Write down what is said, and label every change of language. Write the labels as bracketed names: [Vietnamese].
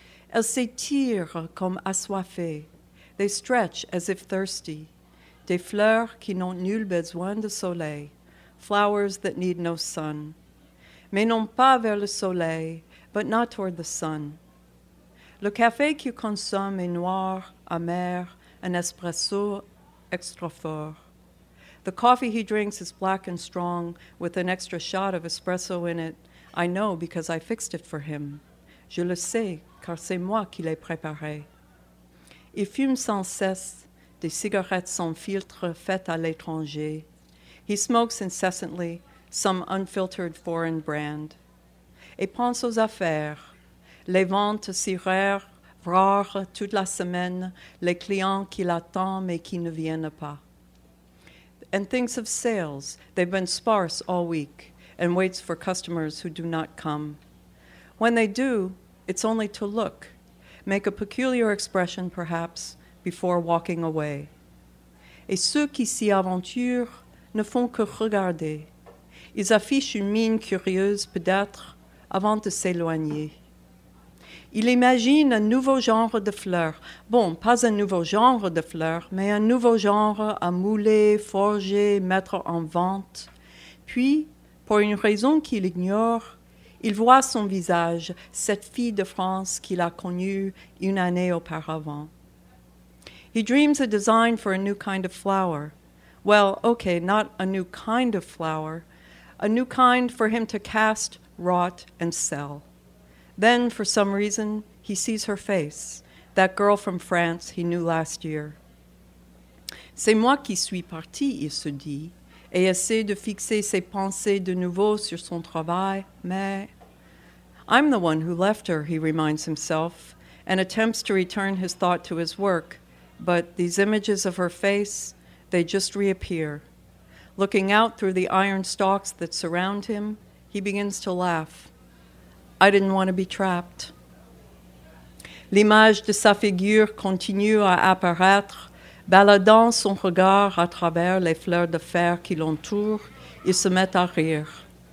[French] Elles s'étirent comme assoiffées, [English] they stretch as if thirsty, [French] des fleurs qui n'ont nul besoin de soleil, [English] flowers that need no sun. [French] Mais non pas vers le soleil, [English] but not toward the sun. [French] Le café qu'il consomme est noir, amer, un espresso extra fort. [English] The coffee he drinks is black and strong with an extra shot of espresso in it. I know because I fixed it for him. [French] Je le sais car c'est moi qui l'ai préparé. Il fume sans cesse des cigarettes sans filtre faites à l'étranger. [English] He smokes incessantly some unfiltered foreign brand. [French] Et pense aux affaires. Les ventes si rares, rares toute la semaine, les clients qui l'attendent mais qui ne viennent pas. [English] And thinks of sales, they've been sparse all week, and waits for customers who do not come. When they do, it's only to look, make a peculiar expression perhaps, before walking away. [French] Et ceux qui s'y aventurent ne font que regarder. Ils affichent une mine curieuse peut-être avant de s'éloigner. Il imagine un nouveau genre de fleurs. Bon, pas un nouveau genre de fleurs, mais un nouveau genre à mouler, forger, mettre en vente. Puis, pour une raison qu'il ignore, il voit son visage, cette fille de France qu'il a connue une année auparavant. [English] He dreams a design for a new kind of flower. Well, okay, not a new kind of flower. A new kind for him to cast, rot, and sell. Then, for some reason, he sees her face, that girl from France he knew last year. [French] C'est moi qui suis parti, il se dit, et essaie de fixer ses pensées de nouveau sur son travail, mais... [English] I'm the one who left her, he reminds himself, and attempts to return his thought to his work, but these images of her face, they just reappear. Looking out through the iron stalks that surround him, he begins to laugh. I didn't want to be trapped. [French] L'image de sa figure continue à apparaître, baladant son regard à travers les fleurs de fer qui l'entourent, il se met à rire.